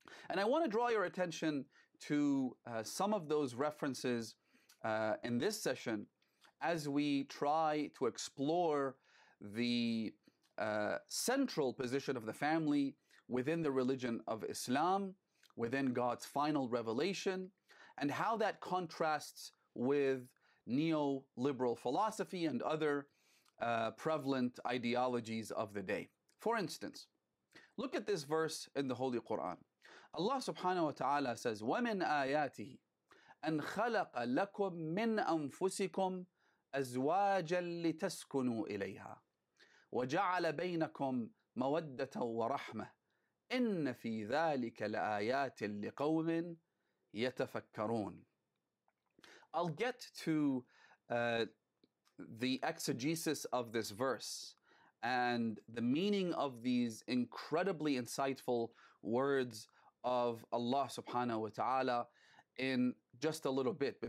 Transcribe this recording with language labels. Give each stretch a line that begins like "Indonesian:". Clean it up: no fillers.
English: And I want to draw your attention to some of those references in this session as we try to explore the central position of the family within the religion of Islam, within God's final revelation, and how that contrasts with neoliberal philosophy and other prevalent ideologies of the day. For instance, look at this verse in the Holy Quran. Allah subhanahu wa ta'ala says,
Arabic: وَمِنْ آيَاتِهِ أَنْ خَلَقَ لَكُمْ مِنْ أَنفُسِكُمْ أَزْوَاجًا لِتَسْكُنُوا إِلَيْهَا وَجَعَلَ بَيْنَكُمْ مَوَدَّةً وَرَحْمَةً إِنَّ فِي ذَلِكَ لَآيَاتٍ لِقَوْمٍ يَتَفَكَّرُونَ.
English: I'll get to the exegesis of this verse and the meaning of these incredibly insightful words of Allah subhanahu wa ta'ala in just a little bit.